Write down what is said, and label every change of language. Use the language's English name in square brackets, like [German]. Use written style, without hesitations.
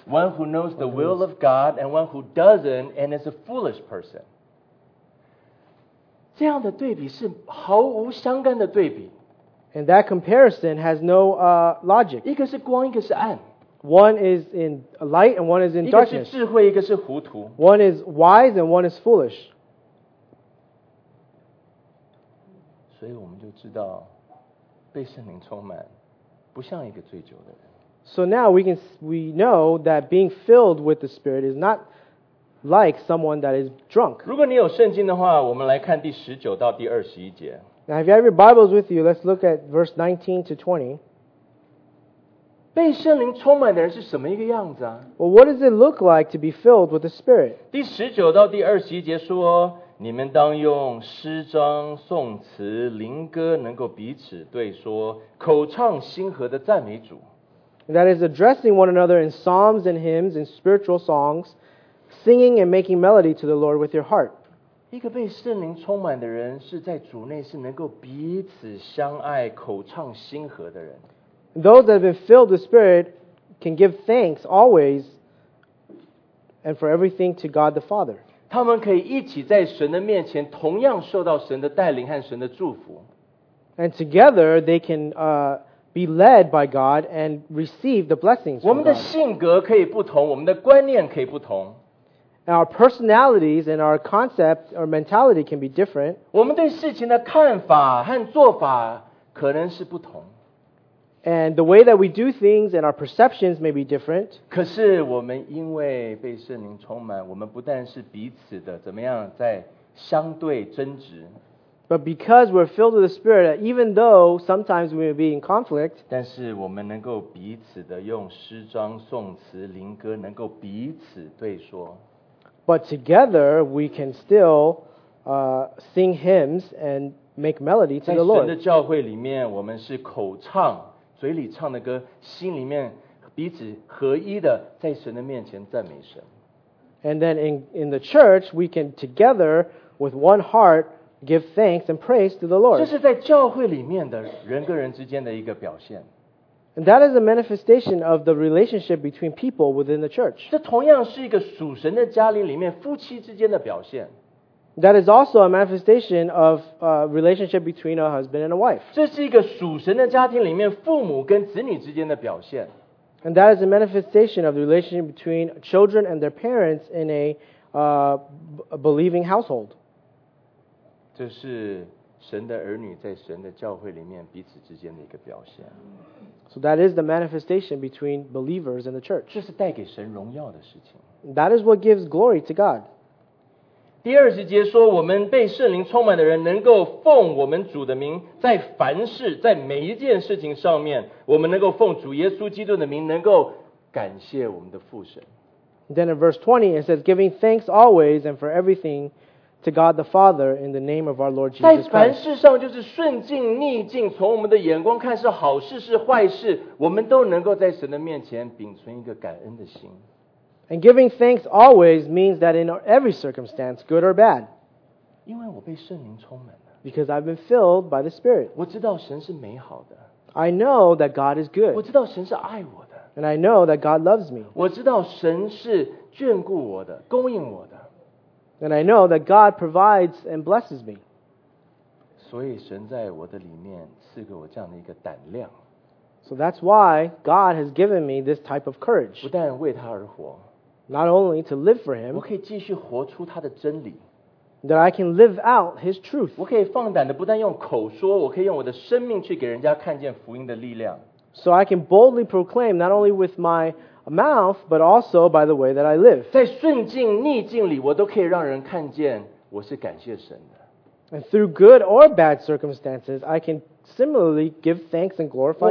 [English] one who knows the will of God and one who doesn't and is a foolish person. [Chinese] 这样的对比是毫无相干的对比。 [English] And that comparison has no logic. [Chinese] 一个是光，一个是暗。 [English] One is in light and one is in darkness. [Chinese] 一个是智慧，一个是糊涂。 [English] One is wise and one is foolish. [Chinese] 所以我们就知道，被圣灵充满，不像一个醉酒的人。 [English] So now we know that being filled with the Spirit is not like someone that is drunk. [Chinese] 如果你有圣经的话，我们来看第十九到第二十一节。 [English] Now if you have your Bibles with you, let's look at verse 19 to 20. [Chinese] 被圣灵充满的人是什么一个样子啊？ [English] Well, what does it look like to be filled with the Spirit? [Chinese] 第十九到第二十一节说，你们当用诗章、颂词、灵歌能够彼此对说，口唱心和的赞美主。 [English] That is addressing one another in psalms and hymns and spiritual songs, singing and making melody to the Lord with your heart. [Chinese] 一个被圣灵充满的人是在主内是能够彼此相爱、口唱心和的人。 [English] Those that have been filled with Spirit can give thanks always and for everything to God the Father. [Chinese] 他们可以一起在神的面前同样受到神的带领和神的祝福。 [English] And together they can be led by God and receive the blessings from God. [Chinese] 我们的性格可以不同，我们的观念可以不同。 [English] And our personalities and our concept or mentality can be different. [Chinese] 我们对事情的看法和做法可能是不同。 [English] And the way that we do things and our perceptions may be different. [Chinese] 可是我们因为被圣灵充满，我们不但是彼此的怎么样在相对争执。 [English] But because we're filled with the Spirit, even though sometimes we may be in conflict, [Chinese] 但是我们能够彼此的用诗章、颂词、灵歌能够彼此对说。 [English] But together we can still sing hymns and make melody to the Lord. [Chinese] 在神的教会里面，我们是口唱嘴里唱的歌，心里面彼此合一的在神的面前赞美神。 [English] And then in the church, we can together with one heart give thanks and praise to the Lord. [Chinese] 这是在教会里面的人跟人之间的一个表现。 [English] And that is a manifestation of the relationship between people within the church. [Chinese] 这同样是一个属神的家里面夫妻之间的表现。 [English] That is also a manifestation of a relationship between a husband and a wife. [Chinese] 这是一个属神的家庭里面父母跟子女之间的表现。 [English] And that is a manifestation of the relationship between children and their parents in a believing household. [Chinese] 这是神的儿女在神的教会里面彼此之间的一个表现。 [English] So that is the manifestation between believers in the church. [Chinese] 这是带给神荣耀的事情。 [English] That is what gives glory to God. [Chinese] 第二十节说，我们被圣灵充满的人能够奉我们主的名，在凡事，在每一件事情上面，我们能够奉主耶稣基督的名，能够感谢我们的父神。 [English] Then in verse 20 it says, giving thanks always and for everything to God the Father in the name of our Lord Jesus Christ. [Chinese] 在凡事上就是顺境逆境，从我们的眼光看是好事是坏事，我们都能够在神的面前秉存一个感恩的心。 [English] And giving thanks always means that in every circumstance, good or bad. [Chinese] 因为我被圣灵充满了。 [English] Because I've been filled by the Spirit. [Chinese] 我知道神是美好的。 [English] I know that God is good. [Chinese] 我知道神是爱我的。 [English] And I know that God loves me. [Chinese] 我知道神是眷顾我的，供应我的。 [English] And I know that God provides and blesses me. [Chinese] 所以神在我的里面赐给我这样的一个胆量。 [English] So that's why God has given me this type of courage. [Chinese] 不但为他而活。 [English] Not only to live for Him. [Chinese] 我可以继续活出他的真理。 [English] That I can live out His truth. [Chinese] 我可以放胆的不但用口说，我可以用我的生命去给人家看见福音的力量。 [English] So I can boldly proclaim not only with my mouth, but also by the way that I live. [Chinese] 在顺境逆境里，我都可以让人看见我是感谢神的。 [English] And through good or bad circumstances, I can similarly give thanks and glorify God.